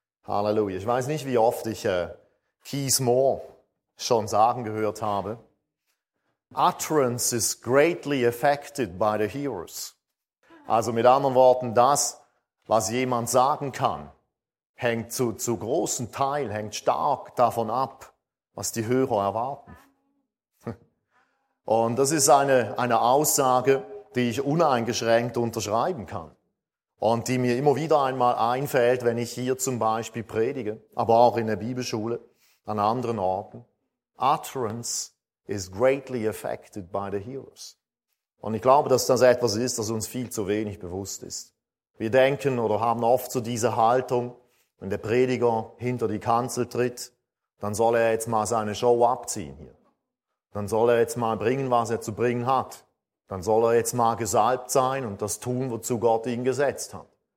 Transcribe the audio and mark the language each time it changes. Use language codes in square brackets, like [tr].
[de] Halleluja. Ich weiß nicht, wie oft ich Keith Moore schon sagen gehört habe. [en] Utterance is greatly affected by the hearers. [de] Also mit anderen Worten, das, was jemand sagen kann, hängt zu großen Teil, hängt stark davon ab, was die Hörer erwarten. Und das ist eine Aussage, die ich uneingeschränkt unterschreiben kann. Und die mir immer wieder einmal einfällt, wenn ich hier zum Beispiel predige, aber auch in der Bibelschule, an anderen Orten. [en] Utterance is greatly affected by the hearers. [de] Und ich glaube, dass das etwas ist, das uns viel zu wenig bewusst ist. Wir denken oder haben oft so diese Haltung, wenn der Prediger hinter die Kanzel tritt, dann soll er jetzt mal seine Show abziehen hier. Dann soll er jetzt mal bringen, was er zu bringen hat. Dann soll er jetzt mal gesalbt sein und das tun, wozu Gott ihn gesetzt hat.